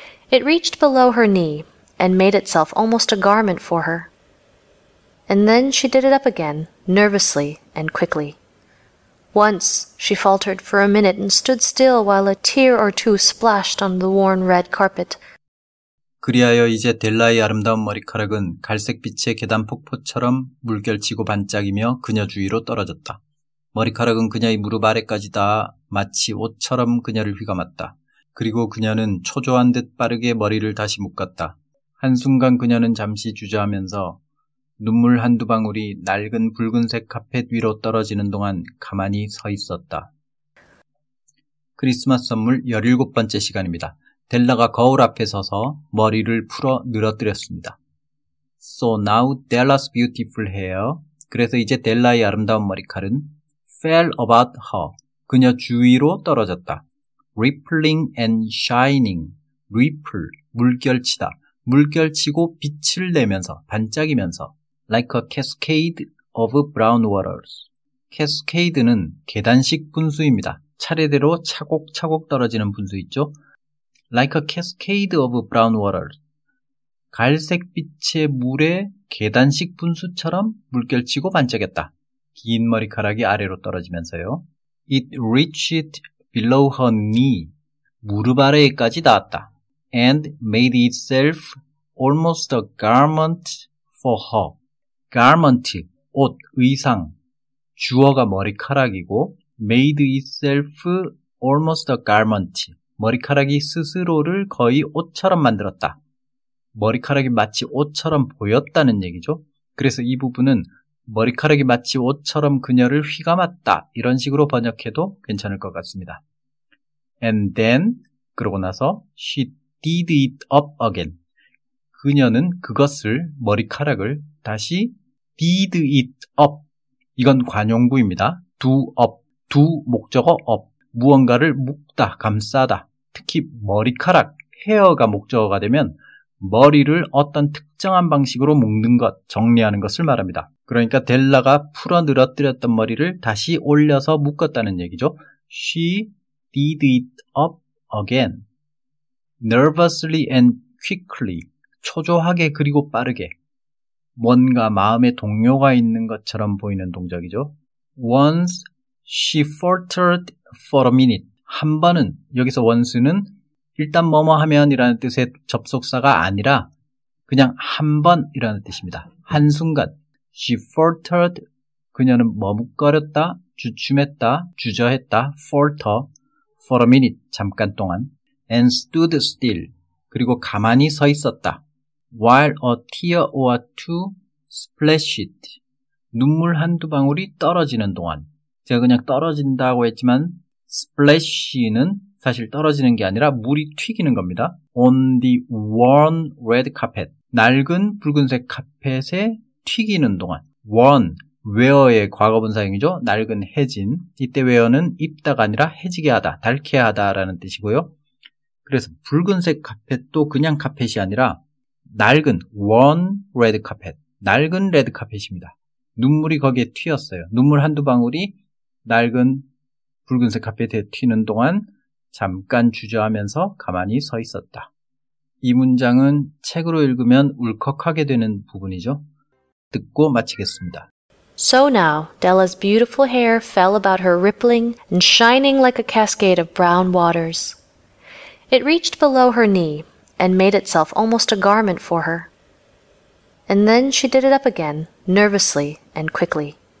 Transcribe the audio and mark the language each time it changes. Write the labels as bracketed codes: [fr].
[en] It reached below her knee and made itself almost a garment for her. And then she did it up again, nervously and quickly. Once she faltered for a minute and stood still while a tear or two splashed on the worn red carpet. [ko] 그리하여 이제 델라의 아름다운 머리카락은 갈색빛의 계단 폭포처럼 물결치고 반짝이며 그녀 주위로 떨어졌다. 머리카락은 그녀의 무릎 아래까지 닿아 마치 옷처럼 그녀를 휘감았다. 그리고 그녀는 초조한 듯 빠르게 머리를 다시 묶었다. 한순간 그녀는 잠시 주저하면서 눈물 한두 방울이 낡은 붉은색 카펫 위로 떨어지는 동안 가만히 서 있었다. 크리스마스 선물 17번째 시간입니다. 델라가 거울 앞에 서서 머리를 풀어 늘어뜨렸습니다. [en] So now Della's beautiful hair. [ko] 그래서 이제 델라의 아름다운 머리칼은 [en] fell about her. [ko] 그녀 주위로 떨어졌다. [en] Rippling and shining. Ripple. [ko] 물결치다. 물결치고 빛을 내면서 반짝이면서. [en] Like a cascade of brown waters. [ko] Cascade는 계단식 분수입니다. 차례대로 차곡차곡 떨어지는 분수 있죠? [en] Like a cascade of brown water. [ko] 갈색빛의 물에 계단식 분수처럼 물결치고 반짝였다. 긴 머리카락이 아래로 떨어지면서요. [en] It reached below her knee. [ko] 무릎 아래까지 닿았다. [en] And made itself almost a garment for her. [ko] Garment, 옷, 의상. 주어가 머리카락이고 [en] made itself almost a garment. [ko] 머리카락이 스스로를 거의 옷처럼 만들었다. 머리카락이 마치 옷처럼 보였다는 얘기죠. 그래서 이 부분은 머리카락이 마치 옷처럼 그녀를 휘감았다. 이런 식으로 번역해도 괜찮을 것 같습니다. [en] And then, [ko] 그러고 나서 [en] she did it up again. [ko] 그녀는 그것을, 머리카락을 다시 [en] did it up. [ko] 이건 관용구입니다. do up, do 목적어 up. 무언가를 묶다, 감싸다. 특히 머리카락, 헤어가 목적어가 되면 머리를 어떤 특정한 방식으로 묶는 것, 정리하는 것을 말합니다. 그러니까 델라가 풀어 늘어뜨렸던 머리를 다시 올려서 묶었다는 얘기죠. [en] She did it up again. Nervously and quickly. [ko] 초조하게 그리고 빠르게. 뭔가 마음에 동요가 있는 것처럼 보이는 동작이죠. [en] Once she faltered for a minute. [ko] 한 번은, 여기서 once는 일단 뭐뭐 하면 이라는 뜻의 접속사가 아니라 그냥 한 번이라는 뜻입니다. 한순간. [en] She faltered. [ko] 그녀는 머뭇거렸다, 주춤했다, 주저했다, [en] falter for a minute. [ko] 잠깐 동안. [en] And stood still. [ko] 그리고 가만히 서 있었다. [en] While a tear or two splashed. [ko] 눈물 한두 방울이 떨어지는 동안. 제가 그냥 떨어진다고 했지만 splash는 사실 떨어지는 게 아니라 물이 튀기는 겁니다. [en] On the worn red carpet. [ko] 낡은 붉은색 카펫에 튀기는 동안. worn, wear의 과거분사형이죠. 낡은 해진. 이때 wear는 입다가 아니라 해지게 하다, 닳게 하다라는 뜻이고요. 그래서 붉은색 카펫도 그냥 카펫이 아니라 낡은 [en] worn red carpet. [ko] 낡은 레드 카펫입니다. 눈물이 거기에 튀었어요. 눈물 한두 방울이 낡은 붉은색 카펫에 튀는 동안 잠깐 주저하면서 가만히 서 있었다. 이 문장은 책으로 읽으면 울컥하게 되는 부분이죠. 듣고 마치겠습니다. [en] So now, Della's beautiful hair fell about her rippling and shining like a cascade of brown waters. It reached below her knee and made itself almost a garment for her. And then she did it up again, nervously and quickly.